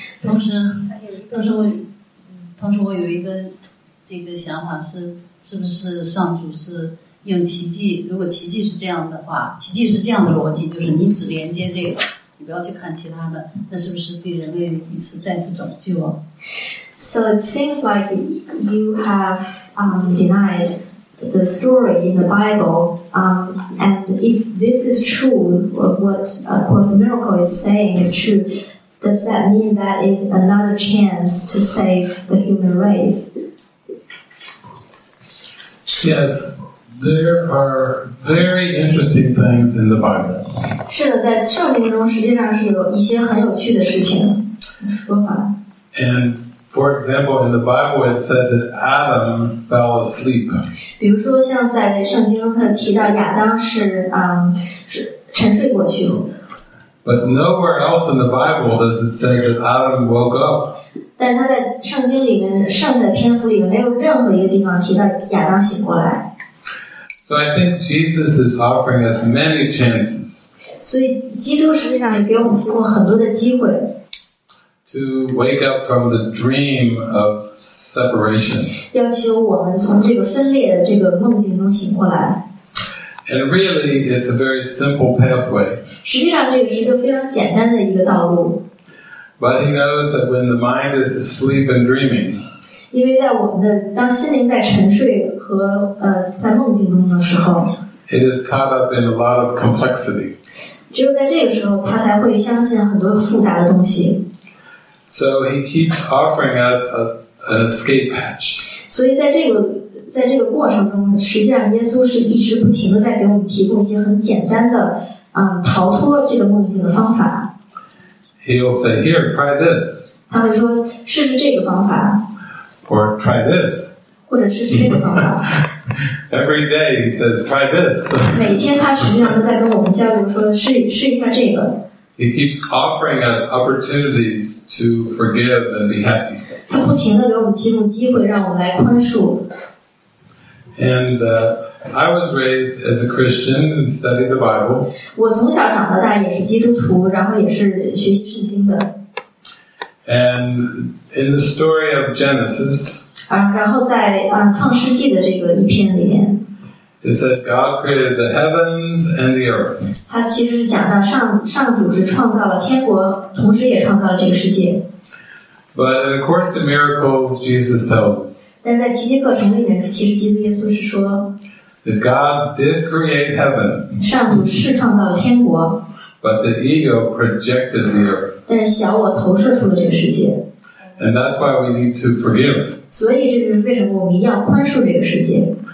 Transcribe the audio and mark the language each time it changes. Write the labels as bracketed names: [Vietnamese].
[Chinese] 同时我当时我有一个这个想法是，是不是上主是用奇迹？如果奇迹是这样的话，奇迹是这样的逻辑，就是你只连接这个，你不要去看其他的，那是不是对人类一次再次拯救啊 [English] ？So it seems like you have denied the story in the Bible, and if this is true, what of course the miracle is saying is true. Does that mean that is another chance to save the human race? Yes, there are very interesting things in the Bible. [Chinese] 是的，在圣经中实际上是有一些很有趣的事情说法。 [English] And For example, in the Bible, it said that Adam fell asleep. [Chinese] 比如说，像在圣经中，它提到亚当是沉睡过去。 [English] But nowhere else in the Bible does it say that Adam woke up. [Chinese] 但是他在圣经里面，圣的篇幅里面，没有任何一个地方提到亚当醒过来。 [English] So I think Jesus is offering us many chances. [Chinese] 所以基督实际上也给我们提供很多的机会。 [English] To wake up from the dream of separation. [Chinese] 要求我们从这个分裂的这个梦境中醒过来。 [English] And really, it's a very simple pathway. [Chinese] 实际上这个是一个非常简单的一个道路。 [English] But he knows that when the mind is asleep and dreaming. [Chinese] 因为在我们的当心灵在沉睡和在梦境中的时候。 [English] It is caught up in a lot of complexity. [Chinese] 只有在这个时候，他才会相信很多复杂的东西。 [English] So he keeps offering us an escape hatch. [Chinese] 所以在这个过程中，实际上耶稣是一直不停的在给我们提供一些很简单的逃脱这个梦境的方法。 [English] He'll say, "Here, try this." [Chinese] 他会说，试试这个方法。 [English] Or try this. [Chinese] 或者试试这个方法。 [English] Every day he says, "Try this." [Chinese] 每天他实际上都在跟我们交流说，试一下这个。 [English] He keeps offering us opportunities to forgive and be happy. [Chinese] 他不停地给我们提供机会，让我们来宽恕。 [English] And I was raised as a Christian and studied the Bible. [Chinese] 我从小长到大也是基督徒，然后也是学习圣经的。 [English] And in the story of Genesis, [Chinese] 然后在创世纪的这个一篇里面。 [English] It says God created the heavens and the earth. [Chinese] 它其实讲到上主是创造了天国，同时也创造了这个世界。 [English] But in the course of miracles, Jesus tells us. [Chinese] 但在奇迹课程里面，其实基督耶稣是说 [English] that God did create heaven. [Chinese] 上主是创造了天国。 [English] But the ego projected the earth. [Chinese] 但是小我投射出了这个世界。 [English] And that's why we need to forgive. [Chinese] 所以这就是为什么我们要宽恕这个世界。